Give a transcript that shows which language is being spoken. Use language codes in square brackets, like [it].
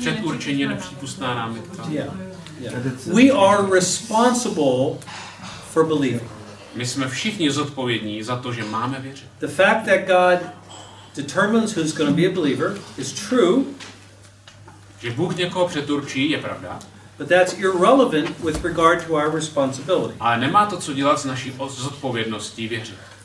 [cs] předurčení nepřípustná námitka. [en] We are responsible for believing. [cs] My jsme všichni zodpovědní za to, že máme věřit. [en] The fact that God determines who's going to be a believer is true. [cs] Že Bůh někoho předurčí, je pravda. [en] But that's irrelevant with regard to our responsibility. [cs] Ale nemá to co dělat s naší zodpovědností věřit.